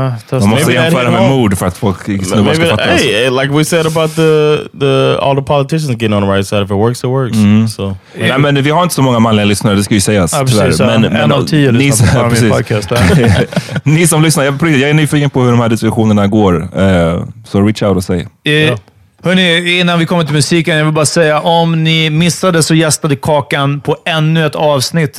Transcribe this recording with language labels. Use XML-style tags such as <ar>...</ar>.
<sv>Man måste jämföra med mood för att folk snubbar ska fatta.</sv> <en>Hey, like we said about the all the politicians getting on the right side. If it works, it works. Mm. So, yeah.</en> <sv>Nej, men vi har inte så många manliga lyssnare, det ska ju sägas. Men en av tio lyssnar på min podcast. Ni som lyssnar, jag är nyfiken på hur de här diskussionerna går.</sv> <en>So reach out</en> <sv>och säg. Hörrni, innan vi kommer till musiken, jag vill bara säga, om ni missade så gästade Kakan på ännu ett avsnitt.</sv>